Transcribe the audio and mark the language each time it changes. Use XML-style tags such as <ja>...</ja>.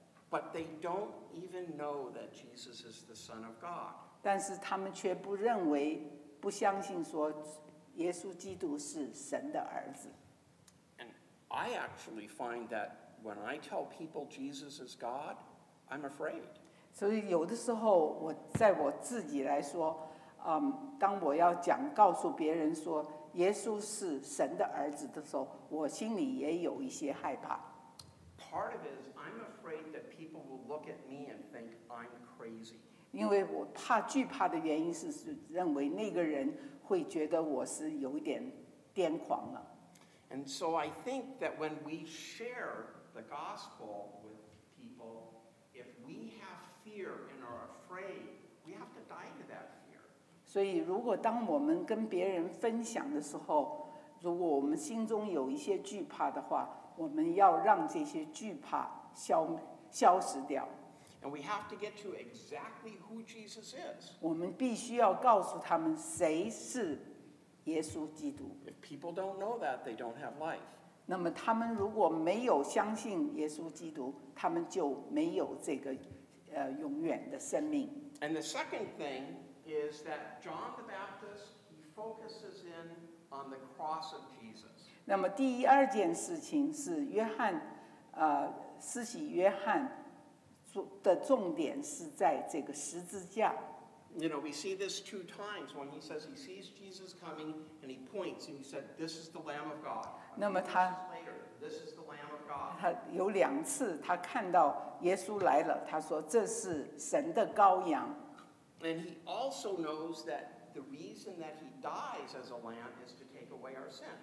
<en>But they don't even know that Jesus is the Son of God.</en> <zh>但是他们却不认为，不相信说耶稣基督是神的儿子。</zh> <en>And I actually find that when I tell people Jesus is God, I'm afraid.</en> <zh>所以有的时候，我在我自己来说。当我要讲告诉别人说耶稣是神的儿子的时候，我心里也有一些害怕。</zh> <en>Part of it is I'm afraid that people will look at me and think I'm crazy.</en> <zh>因为我怕惧怕的原因是认为那个人会觉得我是有点癫狂了。</zh> <en>And so I think that when we share the gospel with people, if we have fear and are afraid, we have to die to that.</en> <zh>所以如果当我们跟别人分享的时候，如果我们心中有一些惧怕的话，我们要让这些惧怕 消失掉。</zh> <en>And we have to get to exactly who Jesus is.</en> <zh>我们必须要告诉他们谁是耶稣基督。</zh> <en>If people don't know that, they don't have life.</en> <zh>那么他们如果没有相信耶稣基督，他们就没有这个永远的生命。</zh> <en>And the second thing,is that John the Baptist, he focuses in on the cross of Jesus.</en> <zh>那么第二件事情是约翰，施洗约翰的重点是在这个十字架。</zh> <en>You know, we see this two times when he says he sees Jesus coming and he points and he said, this is the Lamb of God.</en> <zh>那么他</zh> <en>this is the Lamb of God.</en> <zh>他有两次他看到耶稣来了，他说这是神的羔羊。</zh> <en>And he also knows that the reason that he dies as a lamb is to take away our sins.</en>